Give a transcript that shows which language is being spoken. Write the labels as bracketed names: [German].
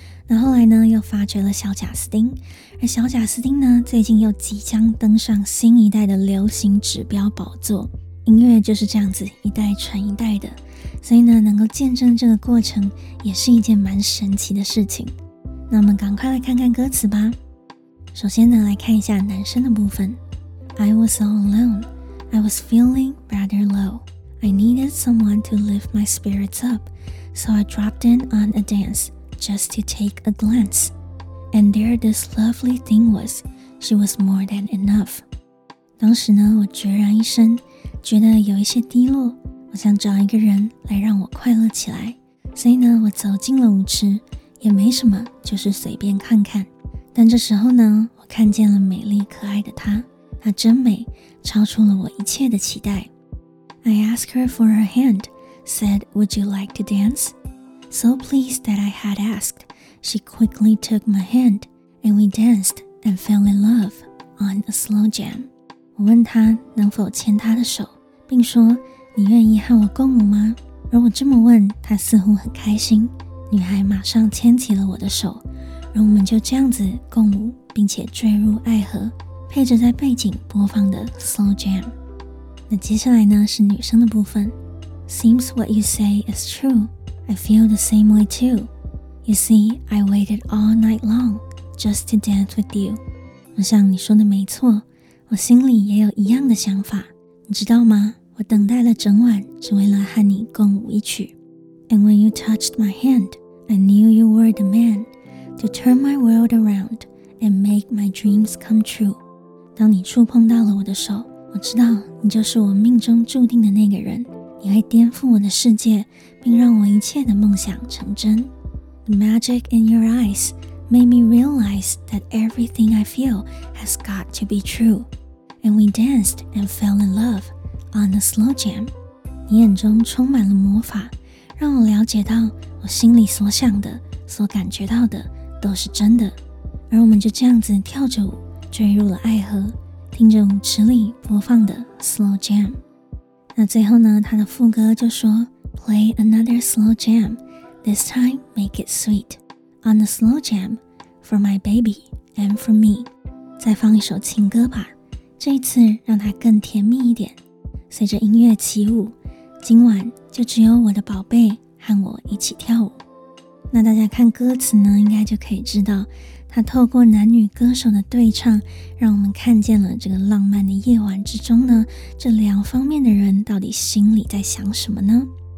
[Chinese] 那后来呢又发掘了小贾斯汀，而小贾斯汀呢最近又即将登上新一代的流行指标宝座。音乐就是这样子一代传一代的，所以呢能够见证这个过程也是一件蛮神奇的事情。那我们赶快来看看歌词吧。首先呢来看一下男生的部分。 [English] I was all alone, I was feeling rather low, I needed someone to lift my spirits up, so I dropped in on a dance just to take a glance. And there this lovely thing was, she was more than enough. [Chinese] 当时呢，我决然一生，觉得有一些低落，我想找一个人来让我快乐起来。所以呢，我走进了舞池，也没什么，就是随便看看。但这时候呢，我看见了美丽可爱的她，她真美，超出了我一切的期待。 [English] I asked her for her hand, said, would you like to dance? So pleased that I had asked, she quickly took my hand, and we danced and fell in love on a slow jam. [Chinese] 我问她能否牵她的手，并说你愿意和我共舞吗？而我这么问，她似乎很开心，女孩马上牵起了我的手，而我们就这样子共舞，并且坠入爱河，配着在背景播放的 slow jam。那接下来呢是女生的部分。 [English] Seems what you say is true. I feel the same way too. You see, I waited all night long just to dance with you. [Chinese] 我想你说的没错，我心里也有一样的想法。你知道吗？我等待了整晚，只为了和你共舞一曲。 [English] And when you touched my hand, I knew you were the man to turn my world around and make my dreams come true. [Chinese] 当你触碰到了我的手，我知道你就是我命中注定的那个人，你会颠覆我的世界，并让我一切的梦想成真。 [English] The magic in your eyes made me realize that everything I feel has got to be true. And we danced and fell in love on a slow jam. [Chinese] 你眼中充满了魔法，让我了解到我心里所想的、所感觉到的都是真的。而我们就这样子跳着舞，坠入了爱河，听着舞池里播放的 slow jam。那最后呢，他的副歌就说 [English] Play another slow jam, this time make it sweet. On a slow jam, for my baby and for me. [Chinese] 再放一首情歌吧，这一次让它更甜蜜一点。随着音乐起舞，今晚就只有我的宝贝和我一起跳舞。那大家看歌词呢，应该就可以知道他透过男女歌手的对唱，让我们看见了这个浪漫的夜晚之中呢，这两方面的人到底心里在想什么呢？